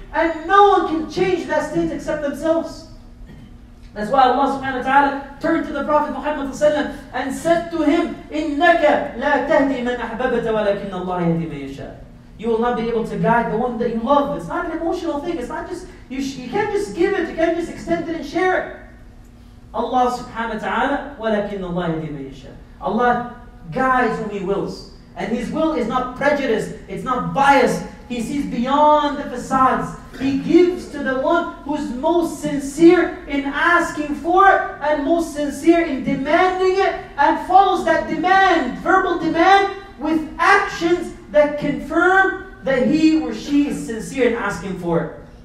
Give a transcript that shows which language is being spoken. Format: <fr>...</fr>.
<en>And no one can change that state except themselves. That's why Allah subhanahu wa ta'ala turned to the Prophet Muhammad sallallahu alayhi wa sallam and said to him,</en> <ar>إِنَّكَ لَا تَهْدِي مَنْ أَحْبَبَتَ وَلَكِنَّ اللَّهَ يَهْدِي مَنْ يَشَاءَ.</ar> <en>You will not be able to guide the one that you love. It's not an emotional thing. It's not just, you can't just give it, you can't just extend it and share it.</en> <ar>Allah subhanahu wa ta'ala, وَلَكِنَّ اللَّهَ يَهْدِي مَنْ يَشَاءَ.</ar> <en>Allah guides whom He wills. And His will is not prejudiced, it's not biased. He sees beyond the facades. He gives to the one who's most sincere in asking for it and most sincere in demanding it and follows that demand, verbal demand, with actions that confirm that he or she is sincere in asking for it.</en>